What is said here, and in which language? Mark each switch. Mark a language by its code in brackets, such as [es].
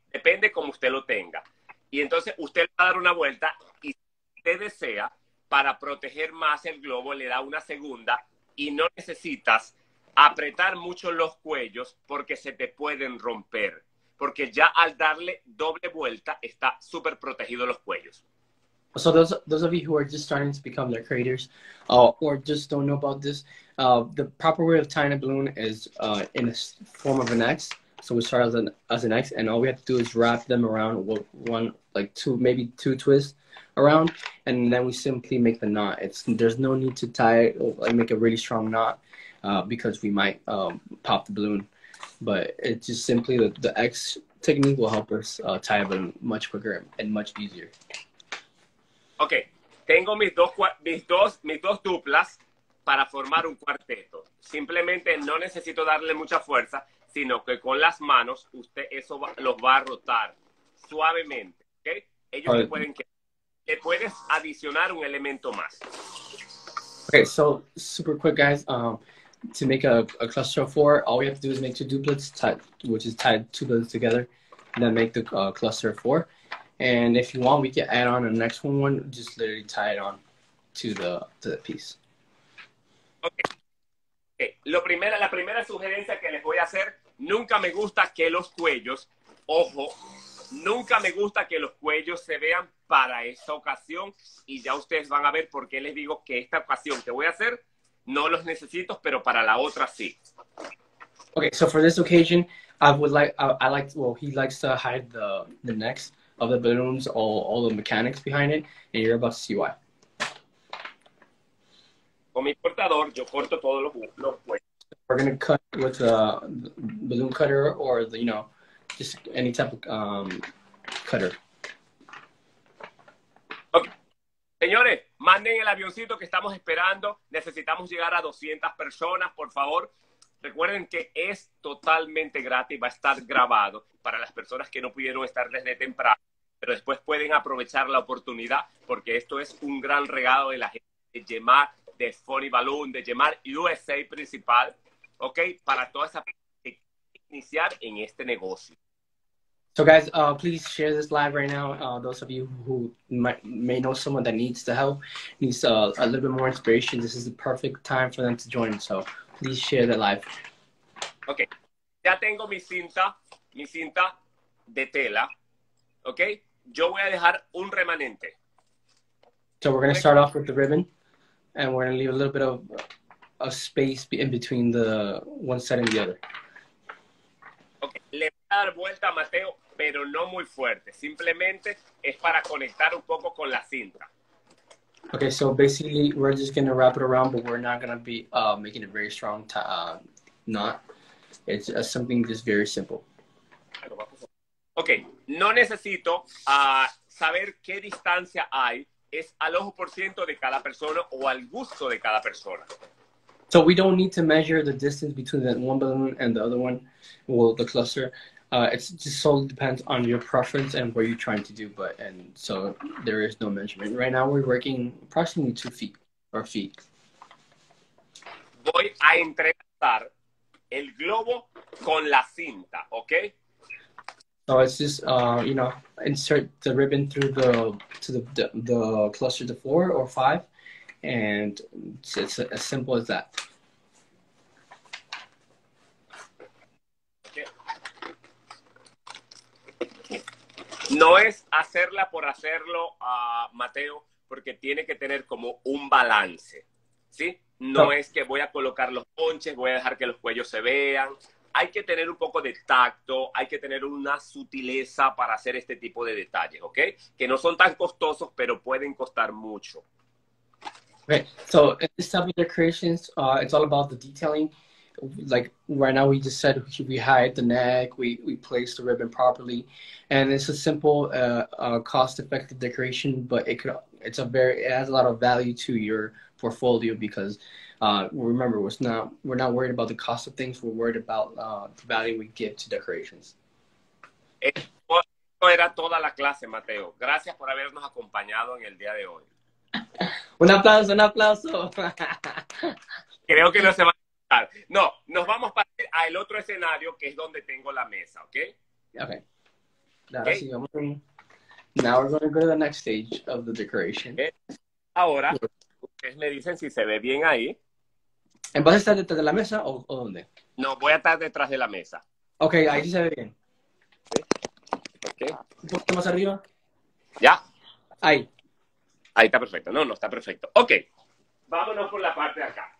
[es] Depende como usted lo tenga. Y entonces usted va a dar una vuelta y si usted desea, para proteger más el globo, le da una segunda y no necesitas apretar mucho los cuellos porque se te pueden romper. Porque ya al darle doble vuelta, está súper protegido los cuellos. [en] So those of you who are just starting to become their creators or just don't know about this, the proper way of tying a balloon is in the form of an X. So we start as an X, and all we have to do is wrap them around one, like two, maybe two twists around, and then we simply make the knot. There's no need to tie it, like make a really strong knot, because we might pop the balloon. But it's just simply the X technique will help us tie a balloon much quicker and much easier. [es] Okay, tengo mis dos duplas para formar un cuarteto. Simplemente no necesito darle mucha fuerza, sino que con las manos usted eso los va a rotar suavemente, ¿okay? Ellos le pueden quedar. Le puedes adicionar un elemento más. [en] Okay, so super quick, guys. To make a cluster of 4, all we have to do is make 2 duplets, tie 2 balloons together, and then make the cluster of 4. And if you want, we can add on a next one, just literally tie it on to the piece. Okay. [es] La primera sugerencia que les voy a hacer, nunca me gusta que los cuellos, ojo, nunca me gusta que los cuellos se vean para esta ocasión, y ya ustedes van a ver por qué les digo que esta ocasión que voy a hacer, no los necesito, pero para la otra sí. [en] Okay, so for this occasion, he likes to hide the necks of the balloons, all the mechanics behind it, and you're about to see why. [es] Con mi cortador, yo corto todos los cuellos. [en] We're going to cut with a balloon cutter or, the, you know, just any type of cutter. [es] Señores, manden el avioncito que estamos esperando. Necesitamos llegar a 200 personas, por favor. Recuerden que es totalmente gratis. Va a estar grabado para las personas que no pudieron estar desde temprano. Pero después pueden aprovechar la oportunidad porque esto es un gran regalo de la gente de Gemar, de Funny Balloon, de Gemar USA principal. ¿Ok? Para toda esa persona que quiere iniciar en este negocio. [en] So guys, please share this live right now. Those of you who may know someone that needs the help, needs a little bit more inspiration, this is the perfect time for them to join. So please share the live. [es] Okay, ya tengo mi cinta de tela. Okay, yo voy a dejar un remanente. [en] So we're going to start off with the ribbon, and we're going to leave a little bit of a space in between the one side and the other. [es] Okay, le voy a dar vuelta a Mateo. Pero no muy fuerte, simplemente es para conectar un poco con la cinta. [en] Okay, so basically we're just going to wrap it around, but we're not going to be making it very strong to knot. It's something just very simple. [es] Okay, no necesito saber qué distancia hay, es al ojo por ciento de cada persona o al gusto de cada persona. [en] So we don't need to measure the distance between that one balloon and the other one, well, the cluster. It just solely depends on your preference and what you're trying to do, but and so there is no measurement. Right now we're working approximately 2 feet or feet. [es] Voy a entrelazar el globo con la cinta, okay? [en] So it's just insert the ribbon through the cluster to 4 or 5, and it's as simple as that. [es] No es hacerla por hacerlo, Mateo, porque tiene que tener como un balance, ¿sí? No es que voy a colocar los ponches, voy a dejar que los cuellos se vean. Hay que tener un poco de tacto, hay que tener una sutileza para hacer este tipo de detalles, ¿ok? Que no son tan costosos, pero pueden costar mucho. [en] Okay, so in this type of decorations, it's all about the detailing. Like right now, we just said we hide the neck, we place the ribbon properly, and it's a simple, cost-effective decoration. But it has a lot of value to your portfolio because, remember, we're not worried about the cost of things. We're worried about the value we give to decorations. [es] Esto era toda la clase, Mateo. Gracias por habernos acompañado en el día de hoy. Un aplauso. Creo que no se va. No, nos vamos para el otro escenario que es donde tengo la mesa, ¿ok? [en] Okay. [es] Ahora sí, [en] now we're going to go to the next stage of the decoration. Okay. [es] Ahora, ustedes me dicen si se ve bien ahí. ¿Vas a estar detrás de la mesa o dónde? No, voy a estar detrás de la mesa. Ok, ahí sí se ve bien. [en] Okay. [es] ¿Un poquito más arriba? Ya. Ahí. Ahí está perfecto. No, está perfecto. Ok. Vámonos por la parte de acá.